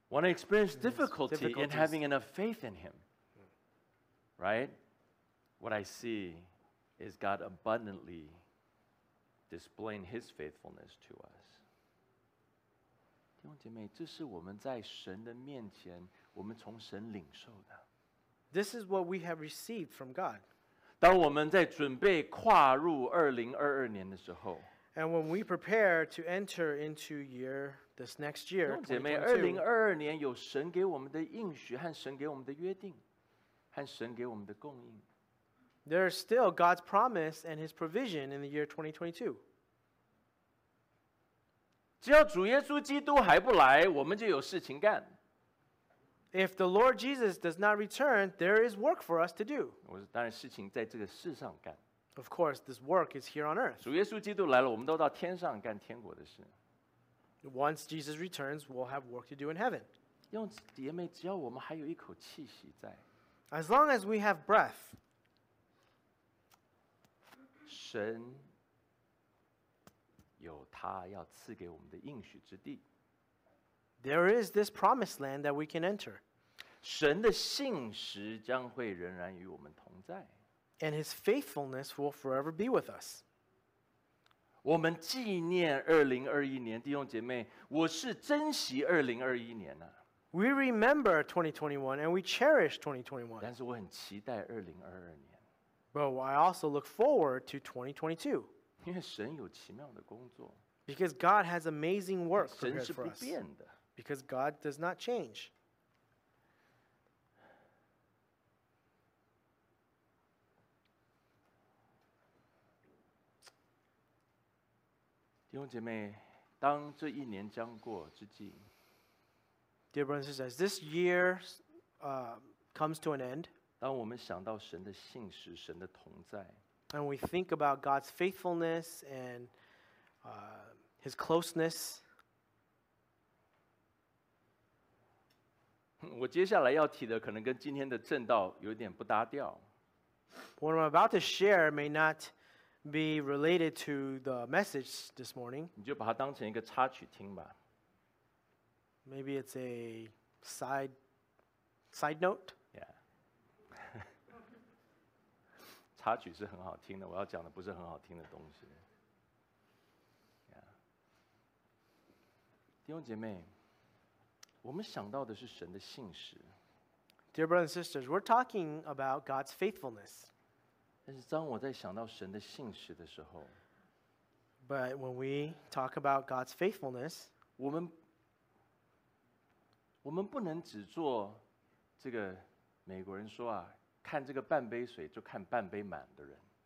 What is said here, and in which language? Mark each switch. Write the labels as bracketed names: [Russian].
[English] when I experienced difficulty in having enough faith in Him, right? What I see is God abundantly displaying His faithfulness to us. [Chinese] 弟兄姐妹，这是我们在神的面前，我们从神领受的。 [English] This is what we have received from God. [Chinese] 当我们在准备跨入2022年的时候 [English] ，And when we prepare to enter into this next year, [Chinese] 弟兄姐妹，2022年有神给我们的应许和神给我们的约定，和神给我们的供应。 [English] There is still God's promise and His provision in the year 2022. [Chinese] 只要主耶稣基督还不来，我们就有事情干。 [English] If the Lord Jesus does not return, there is work for us to do. [Chinese] 我当然事情在这个世上干。 [English] Of course, this work is here on earth. [Chinese] 主耶稣基督来了，我们都到天上干天国的事。 [English] Once Jesus returns, we'll have work to do in heaven. [Chinese] 姐妹，只要我们还有一口气息在。 [English] As long as we have breath. [Chinese] 神有他要赐给我们的应许之地。 [English] There is this promised land that we can enter. [Chinese] 神的信实将会仍然与我们同在。 [English] And His faithfulness will forever be with us. [Chinese] 我们纪念2021年，弟兄姐妹，我是珍惜2021年啊。 [English] We remember 2021 and we cherish 2021. [Chinese] 但是我很期待2022年。 [English] But I also look forward to 2022. [Chinese] 因为神有奇妙的工作。 [English] Because God has amazing work prepared for us. [Chinese] 神是不变的。 [English] Because God does not change. [Chinese] 弟兄姐妹，当这一年将过之际 [English] ，Dear brothers and sisters, this year comes to an end. [Chinese] 当我们想到神的信实、神的同在。 [English] And we think about God's faithfulness and His closeness. [Chinese] 我接下来要提的可能跟今天的正道有点不搭调。 [English] What I'm about to share may not be related to the message this morning. [Chinese] 你就把它当成一个插曲听吧。 [English] Maybe it's a side note. Yeah. [Chinese] 插曲是很好听的，我要讲的不是很好听的东西。弟兄姐妹，我们想到的是神的信实。 [English] Dear brothers and sisters, we're talking about God's faithfulness. [Chinese] 但是当我在想到神的信实的时候， [English] But when we talk about God's faithfulness, [Chinese] 我们不能只做这个美国人说啊，看这个半杯水就看半杯满的人。